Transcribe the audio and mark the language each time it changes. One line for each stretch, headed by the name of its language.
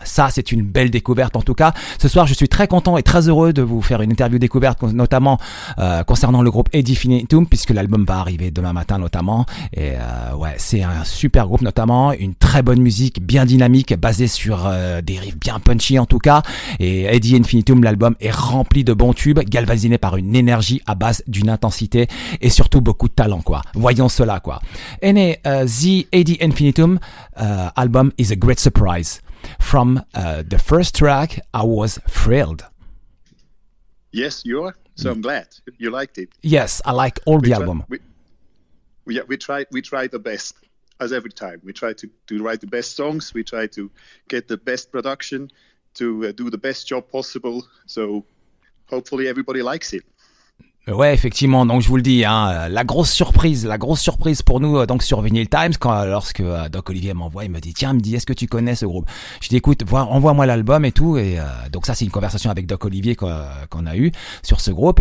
French: Ça, c'est une belle découverte en tout cas. Ce soir, je suis très content et très heureux de vous faire une interview découverte, notamment concernant le groupe AD Infinitum, puisque l'album va arriver demain matin notamment. Et ouais, c'est un super groupe notamment, une très bonne musique, bien dynamique, basée sur des riffs bien punchy en tout cas. Et AD Infinitum, l'album est rempli de bons tubes, galvanisé par une énergie à base d'une intensité et surtout beaucoup de talent quoi. voyons cela, quoi.
English: And the AD Infinitum album is a great surprise. From the first track, I was thrilled. Yes, you are. So I'm glad you liked it. Yes, I like all the album. We try the best, as every time. We try to write the best songs. We try to get the best production, to do the best job possible. So hopefully everybody likes it.
French: Ouais, effectivement. Donc je vous le dis, hein, la grosse surprise pour nous donc sur Vinyl Times, lorsque Olivier m'envoie, il me dit est-ce que tu connais ce groupe? Je dis écoute, envoie-moi l'album et tout. Et donc ça c'est une conversation avec Doc Olivier qu'on a eu sur ce groupe.